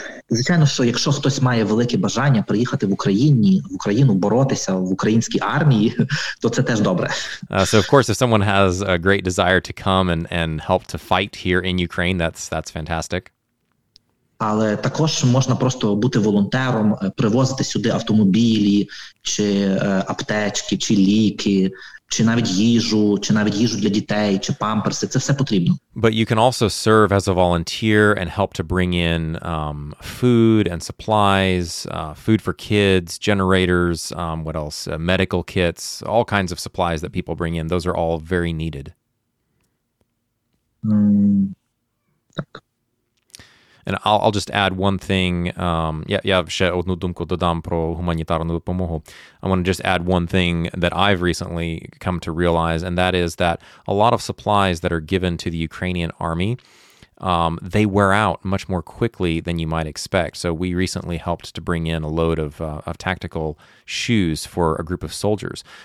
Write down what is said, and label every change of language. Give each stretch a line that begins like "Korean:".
Ukrainian: Звичайно, що якщо хтось має велике бажання приїхати в Україну боротися в українській армії, то це теж добре.
English: So of course if someone has a great desire to come and help to fight here in Ukraine, that's fantastic.
Ukrainian: Але також можна просто бути волонтером, привозити сюди автомобілі чи аптечки, чи ліки, чи навіть їжу, чи навіть їжу для дітей, чи памперси. Це все потрібно.
English: But you can also serve as a volunteer and help to bring in food and supplies, food for kids, generators, what else, medical kits, all kinds of supplies that people bring in. Those are all very needed. And I'll just add one thing.
Ukrainian: Я ще одну думку додам про гуманітарну допомогу.
English: I want to just add one thing that I've recently come to realize, and that is that a lot of supplies that are given to the Ukrainian army, they wear out much more quickly than you might expect. So we recently helped to bring in a load of tactical shoes for a group of soldiers.